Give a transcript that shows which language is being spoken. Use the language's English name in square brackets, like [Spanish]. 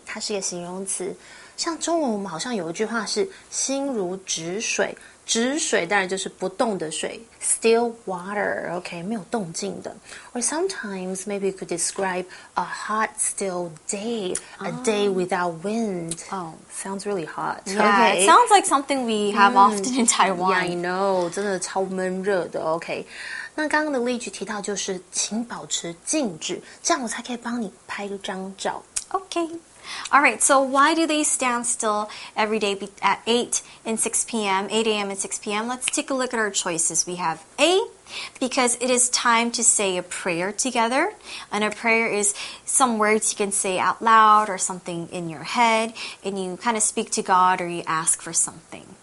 [Chinese] 它是一个形容词。像中文，我们好像有一句话是"心如止水"。止水当然就是不动的水 [English] still water, okay, [Chinese] 没有动静的 [English] Or sometimes maybe you could describe a hot still day, a day without wind. Oh, sounds really hot. Yeah, okay. It sounds like something we have often in Taiwan. Yeah, I know, [Chinese] 真的超闷热的 [English] okay. [Chinese] 那刚刚的例句提到就是请保持静止这样我才可以帮你拍一张照 [English] OK All right, so why do they stand still every day at 8 and 6 p.m., 8 a.m. and 6 p.m.? Let's take a look at our choices. We have A, because it is time to say a prayer together. And a prayer is some words you can say out loud or something in your head, and you kind of speak to God or you ask for something.